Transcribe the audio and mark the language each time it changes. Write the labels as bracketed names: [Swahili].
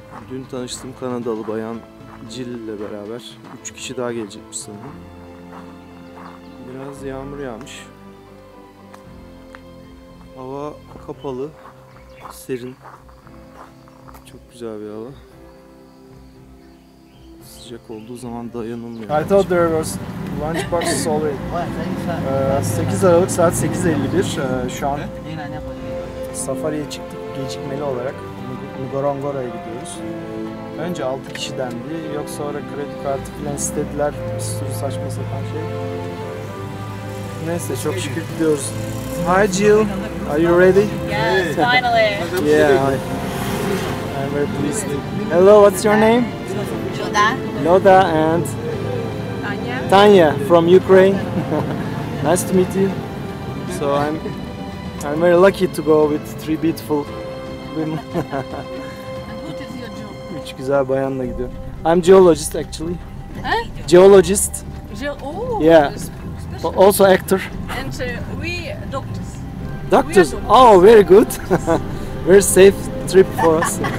[Turkish] Dün tanıştığım Kanadalı bayan Jill ile beraber 3 kişi daha gelecekmiş sanırım. Biraz yağmur yağmış. Hava kapalı, serin. Çok güzel bir hava. Sıcak olduğu zaman dayanılmıyor. [English] I thought there was lunch box already. [Turkish] 8 Aralık saat 8.51. Şu an safariye çıktık gecikmeli olarak. Ngorongoro'ya gidiyoruz. Önce 6 kişi dendi. Yok sonra kredi kartı falan istediler. Bir sürü saçma sapan şey. Neyse çok şükür gidiyoruz. [English] Hi Jill, are you ready? Yes, finally. Yeah, hi. I'm very pleased. Hello, what's your name? Loda. Loda and? Tanya. Tanya from Ukraine. Nice to meet you. So I'm very lucky to go with three beautiful women. [Turkish] Üç güzel bayanla gidiyorum. [English] I'm geologist actually. Huh? Geologist. Oh. Yeah. But also actor. And we doctors. Doctors? We oh, very good. Very safe trip for us.